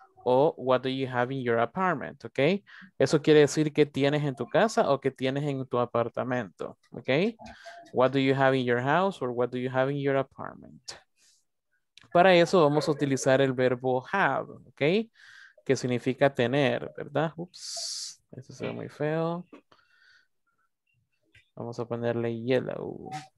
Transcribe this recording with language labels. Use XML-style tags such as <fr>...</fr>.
<en>O What do you have in your apartment?</en> <es>Ok, eso quiere decir qué tienes en tu casa o qué tienes en tu apartamento.</es> <en>Ok, What do you have in your house? Or What do you have in your apartment?</en> <es>Para eso vamos a utilizar el verbo have, ¿ok? Que significa tener, ¿verdad? Ups, eso se ve muy feo. Vamos a ponerle yellow.</es>